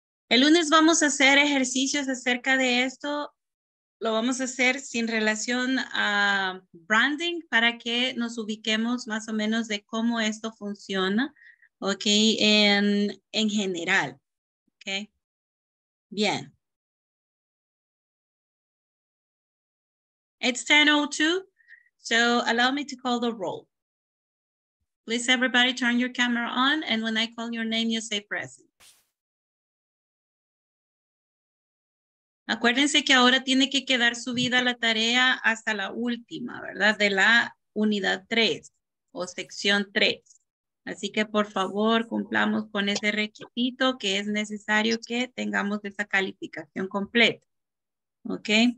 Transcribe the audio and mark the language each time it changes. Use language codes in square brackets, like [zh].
[es] El lunes vamos a hacer ejercicios acerca de esto. Lo vamos a hacer sin relación a branding para que nos ubiquemos más o menos de cómo esto funciona, ok, en general, ok. Bien. [en] It's 10:02, so allow me to call the roll. Please, everybody, turn your camera on, and when I call your name, you say present. [es] Acuérdense que ahora tiene que quedar subida la tarea hasta la última, ¿verdad? De la unidad 3 o sección 3. Así que, por favor, cumplamos con ese requisito que es necesario que tengamos esa calificación completa. ¿Ok?